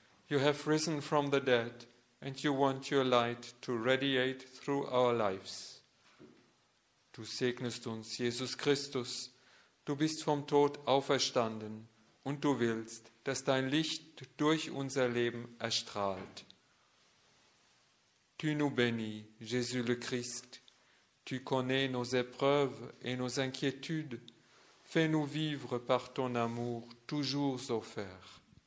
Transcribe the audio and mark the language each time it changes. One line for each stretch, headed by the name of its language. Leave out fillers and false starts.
English: You have risen from the dead and you want your light to radiate through our lives.
German: Du segnest uns, Jesus Christus. Du bist vom Tod auferstanden und du willst, dass dein Licht durch unser Leben erstrahlt.
French: Tu nous bénis, Jésus le Christ. Tu connais nos épreuves et nos inquiétudes. Fais-nous vivre par ton amour toujours offert.